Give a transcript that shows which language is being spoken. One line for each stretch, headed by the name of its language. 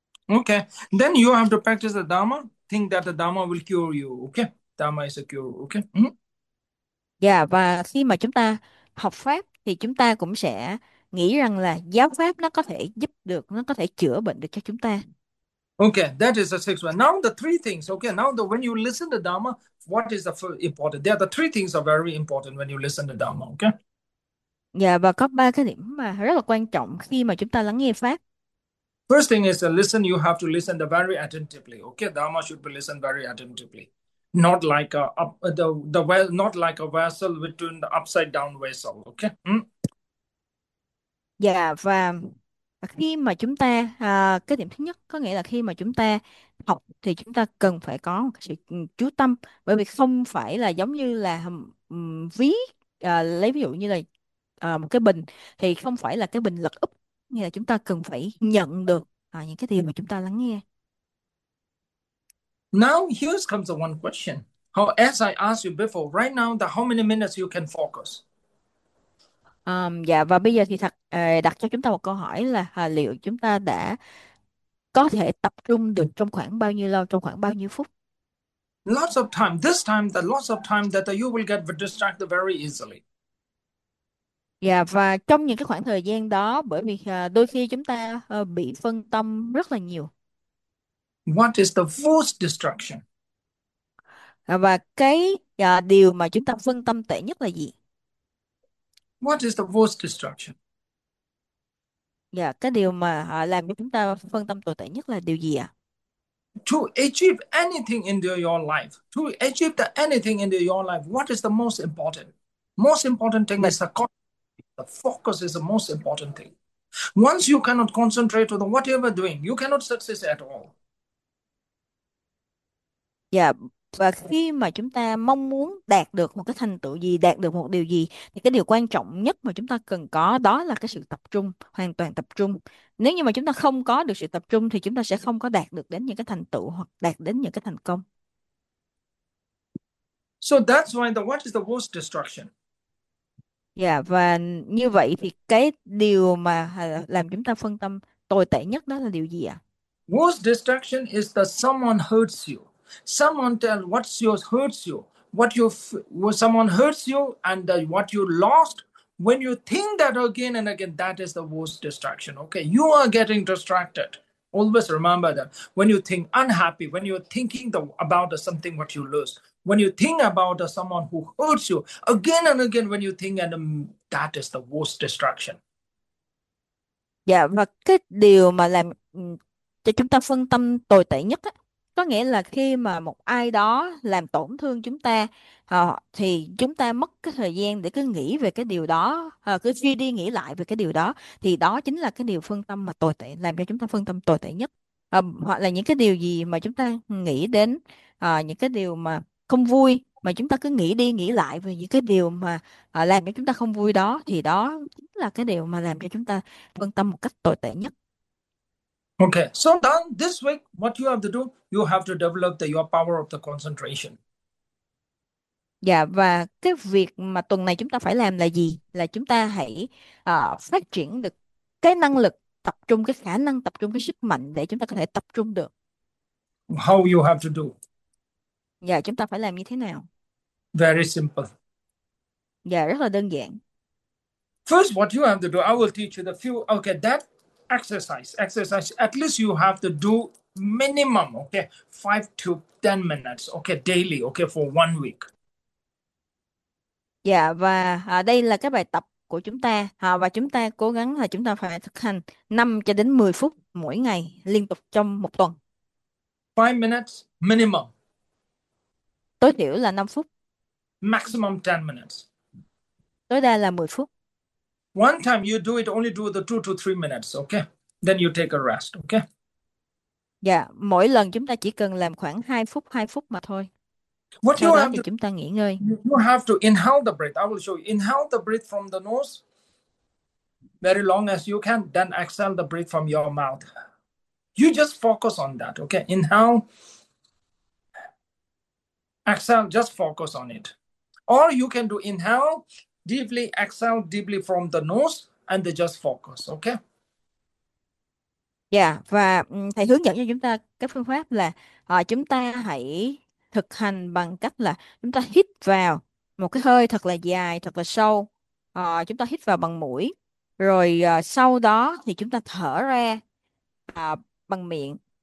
English: Okay, then you have to practice the Dharma, think that the Dharma will cure you. Okay, Dharma is a cure. Okay.
Vietnamese: Và khi mà chúng ta học pháp thì chúng ta cũng sẽ nghĩ rằng là giáo pháp nó có thể giúp được, nó có thể chữa bệnh được cho chúng ta.
English: Okay, that is the sixth one. Now the three things. Okay, now the when you listen to Dharma, what is the first important? There are the three things are very important when you listen to Dharma. Okay.
Vietnamese: Và có ba cái điểm mà rất là quan trọng khi mà chúng ta lắng nghe pháp.
English: First thing is to listen. You have to listen the very attentively. Okay, Dharma should be listened very attentively, not like a up, the well, not like a vessel between the upside down vessel. Okay.
Vietnamese: Và khi mà chúng ta cái điểm thứ nhất có nghĩa là khi mà chúng ta học thì chúng ta cần phải có một sự chú tâm, bởi vì không phải là giống như là ví lấy ví dụ như là một cái bình, thì không phải là cái bình lật úp, nghĩa là chúng ta cần phải nhận được những cái điều mà chúng ta lắng nghe.
English: Now here comes the one question. How, as I asked you before, right now, the how many minutes you can focus?
Vietnamese: Dạ, và bây giờ thì thật đặt cho chúng ta một câu hỏi là liệu chúng ta đã có thể tập trung được trong khoảng bao nhiêu lâu, trong khoảng bao nhiêu phút?
English: Lots of time. This time, the lots of time that you will get distracted very easily.
Vietnamese: Dạ, và trong những cái khoảng thời gian đó, bởi vì đôi khi chúng ta bị phân tâm rất là nhiều.
English: What is the worst distraction?
Vietnamese: Và cái điều mà chúng ta phân tâm tệ nhất là gì?
English: What is the worst distraction?
Vietnamese: Dạ, cái điều mà họ làm cho chúng ta phân tâm tồi tệ nhất là điều gì ạ?
English: To achieve anything in your life, to achieve the anything in your life, what is the most important? Most important thing is the focus is the most important thing. Once you cannot concentrate on whatever doing, you cannot succeed at all.
Vietnamese: Dạ, và khi mà chúng ta mong muốn đạt được một cái thành tựu gì, đạt được một điều gì, thì cái điều quan trọng nhất mà chúng ta cần có đó là cái sự tập trung, hoàn toàn tập trung. Nếu như mà chúng ta không có được sự tập trung thì chúng ta sẽ không có đạt được đến những cái thành tựu hoặc đạt đến những cái thành công.
English: So that's why the what is the worst distraction?
Vietnamese: Dạ, và như vậy thì cái điều mà làm chúng ta phân tâm tồi tệ nhất đó là điều gì ạ?
English: Worst distraction is that someone hurts you. Someone tell what's your hurts you. What you what someone hurts you and what you lost. When you think that again and again, that is the worst distraction. Okay, you are getting distracted. Always remember that when you think unhappy, when you're thinking about something what you lose. When you think about someone who hurts you again and again, when you think and that is the worst distraction.
Vietnamese: Dạ, và cái điều mà làm cho chúng ta phân tâm tồi tệ nhất á, có nghĩa là khi mà một ai đó làm tổn thương chúng ta, thì chúng ta mất cái thời gian để cứ nghĩ về cái điều đó, cứ suy đi nghĩ lại về cái điều đó, thì đó chính là cái điều phân tâm mà tồi tệ, làm cho chúng ta phân tâm tồi tệ nhất. Hoặc là những cái điều gì mà chúng ta nghĩ đến, những cái điều mà không vui, mà chúng ta cứ nghĩ đi nghĩ lại về những cái điều mà làm cho chúng ta không vui đó, thì đó chính là cái điều mà làm cho chúng ta phân tâm một cách tồi tệ nhất.
English: Okay, so then this week, what you have to do, you have to develop your power of the concentration.
Vietnamese: Dạ, và cái việc mà tuần này chúng ta phải làm là gì? Là chúng ta hãy phát triển được cái năng lực tập trung, cái khả năng tập trung, cái sức mạnh để chúng ta có thể tập trung được.
English: How you have to do?
Vietnamese: Dạ, chúng ta phải làm như thế nào?
English: Very simple.
Vietnamese: Dạ, rất là đơn giản.
English: First, what you have to do, I will teach you the few. Okay, that. Exercise. At least you have to do minimum, okay, 5 to 10 minutes, okay, daily, okay, for 1 week.
Vietnamese: Dạ, và đây là cái bài tập của chúng ta, và chúng ta cố gắng là chúng ta phải thực hành 5 cho đến 10 phút mỗi ngày liên tục trong một tuần.
English: 5 minutes minimum.
Vietnamese: Tối thiểu là 5 phút.
English: Maximum 10 minutes.
Vietnamese: Tối đa là 10 phút.
English: One time you do it, only do the 2 to 3 minutes, okay? Then you take a rest, okay?
Vietnamese: Dạ, mỗi lần chúng ta chỉ cần làm khoảng 2 phút mà thôi.
English: What
Vietnamese: Sau
English: you
Vietnamese: đó
English: have
Vietnamese: thì
English: to
Vietnamese: chúng ta nghỉ ngơi.
English: you have to inhale the breath. I will show you. Inhale the breath from the nose very long as you can, then exhale the breath from your mouth. You just focus on that, okay? Inhale, exhale, just focus on it. Or you can do inhale. Deeply exhale deeply from the nose and they just focus, okay?
Vietnamese: Dạ, và thầy hướng dẫn cho chúng ta cái phương pháp là chúng ta hãy thực hành bằng cách là chúng ta hít vào một cái hơi thật là dài, thật là sâu. Chúng ta hít vào bằng mũi, rồi sau đó thì chúng ta thở ra bằng miệng.